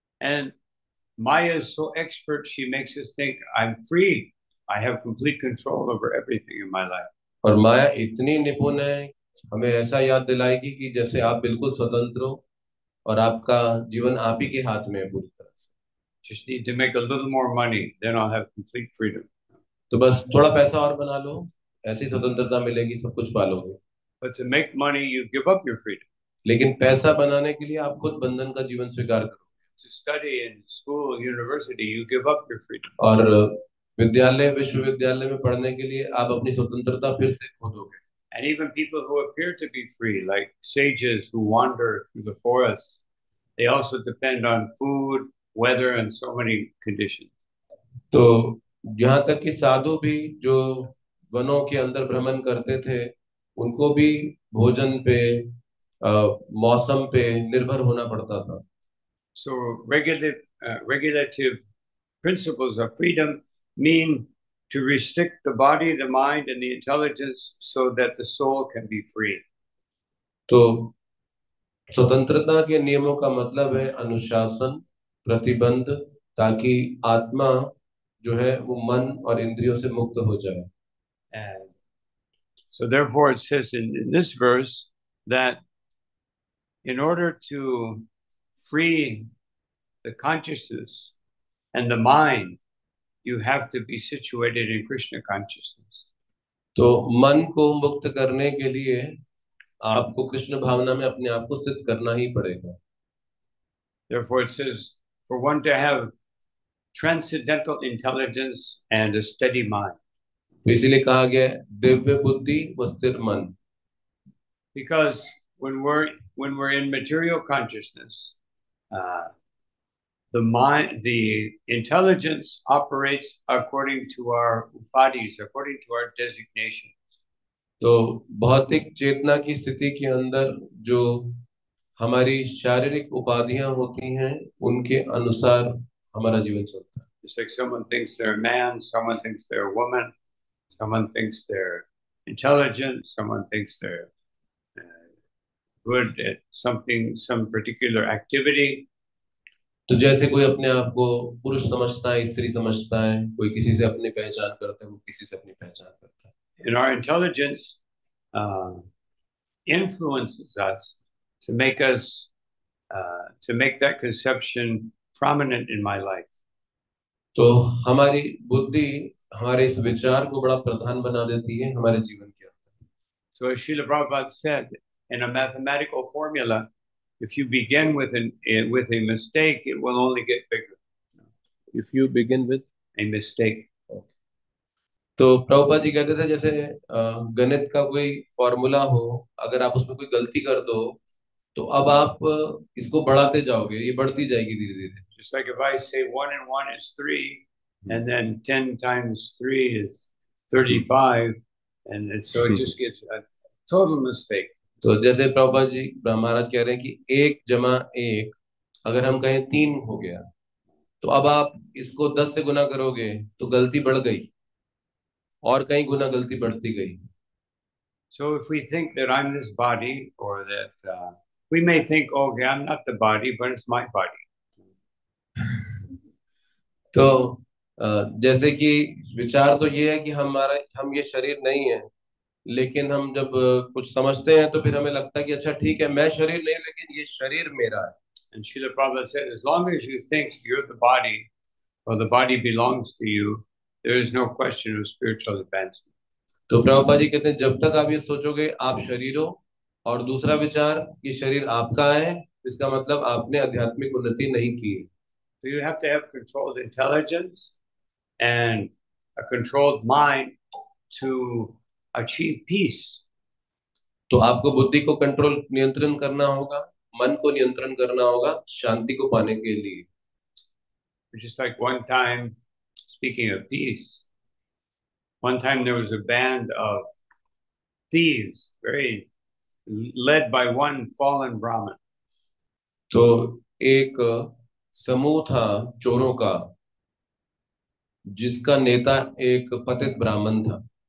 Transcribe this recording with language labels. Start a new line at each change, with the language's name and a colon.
English: And Maya is so expert, she makes you think I am free, I have complete control over everything in my life.
Hindi: और माया इतनी निपुण है, हमें ऐसा याद दिलाएगी कि जैसे आप बिल्कुल स्वतंत्र हो और आपका जीवन आप ही के हाथ में है पूरी तरह से.
English: Just need to make a little more money, then I'll have complete freedom.
Hindi: तो बस थोड़ा पैसा और बना लो, ऐसी स्वतंत्रता मिलेगी, सब कुछ पा लोगे.
English: But to make money, you give up your freedom.
Hindi: लेकिन पैसा बनाने के लिए आप खुद बंधन का जीवन स्वीकार करो.
English: To study in school, university, you give up your freedom.
Hindi: और विद्यालय विश्वविद्यालय में पढ़ने के लिए आप अपनी स्वतंत्रता फिर से खो दोगे.
English: And even people who appear to be free, like sages who wander through the forest, they also depend on food, weather, and so many conditions.
Hindi: तो यहाँ तक कि साधु भी जो वनों के अंदर भ्रमण करते थे, उनको भी भोजन पे, मौसम पे निर्भर होना पड़ता था.
English: So regulative principles of freedom mean to restrict the body, the mind, and the intelligence so that the soul can be free.
Hindi: तो स्वतंत्रता के नियमों का मतलब है अनुशासन, प्रतिबंध, ताकि आत्मा जो है वो मन और इंद्रियों से मुक्त हो जाए.
English: And so therefore it says in this verse that in order to free the consciousness and the mind, you have to be situated in Krishna consciousness.
Hindi: तो मन को मुक्त करने के लिए आपको कृष्ण भावना में अपने आप को स्थित करना ही पड़ेगा.
English: Therefore it says for one to have transcendental intelligence and a steady mind.
Hindi: इसीलिए कहा गया दिव्य बुद्धि व स्थिर मन.
English: Because when we're in material consciousness, the mind, the intelligence operates according to our bodies, according to our designations.
Hindi: तो भौतिक चेतना की स्थिति के अंदर जो हमारी शारीरिक उपाधियां होती हैं, उनके अनुसार हमारा जीवन चलता है.
English: It's like someone thinks they're a man, someone thinks they're a woman, someone thinks they're intelligent, someone thinks they're good at something, some particular activity.
Hindi: तो जैसे कोई अपने आप को पुरुष समझता है, स्त्री समझता है, कोई किसी से अपनी पहचान करता है, वो किसी से अपनी पहचान करता है.
English: In our intelligence, influences us to make us to make that conception prominent in my life.
Hindi: तो हमारी बुद्धि हमारे इस विचार को बड़ा प्रधान बना देती है हमारे जीवन के अंदर.
English: So as Srila Prabhupada said, in a mathematical formula, if you begin with a mistake, it will only get bigger. If you begin with a mistake.
Hindi: तो प्रभुपाद जी कहते थे जैसे गणित का कोई फॉर्मूला हो, अगर आप उसमें कोई गलती कर दो तो अब आप इसको बढ़ाते जाओगे, ये बढ़ती जाएगी धीरे धीरे.
English: Just like if I say 1 and 1 is 3, and then 10 times 3 is 35, and so it just gets a total mistake.
Hindi: तो जैसे प्रभुपाद जी महाराज कह रहे हैं कि 1+1 अगर हम कहें 3 हो गया, तो अब आप इसको 10 से गुना करोगे तो गलती बढ़ गई, और कई गुना गलती बढ़ती गई.
English: So if we think that I'm this body, or that we may think, okay, I'm not the body, but it's my body.
Hindi: तो जैसे कि विचार तो ये है कि हम ये शरीर नहीं है, लेकिन हम जब कुछ समझते हैं तो फिर हमें लगता है कि अच्छा ठीक है, मैं शरीर नहीं, लेकिन ये शरीर मेरा है.
English: And Srila Prabhupada said, as long as you think you're the body, or the body belongs to you, there is no question of spiritual advancement.
Hindi: तो प्रभुपाद जी कहते हैं जब तक आप ये सोचोगे आप शरीर हो, और दूसरा विचार कि शरीर आपका है, इसका मतलब आपने आध्यात्मिक उन्नति नहीं की.
English: So you have to have controlled intelligence and a controlled mind to achieve peace.
Hindi: तो आपको बुद्धि को कंट्रोल नियंत्रण करना होगा, मन को नियंत्रण करना होगा शांति को पाने के लिए.
English: Just like one time Speaking of peace, one time there was a band of thieves, very led by one fallen Brahmin.
Hindi: तो एक समूह था चोरों का जिसका नेता एक पतित ब्राह्मण था.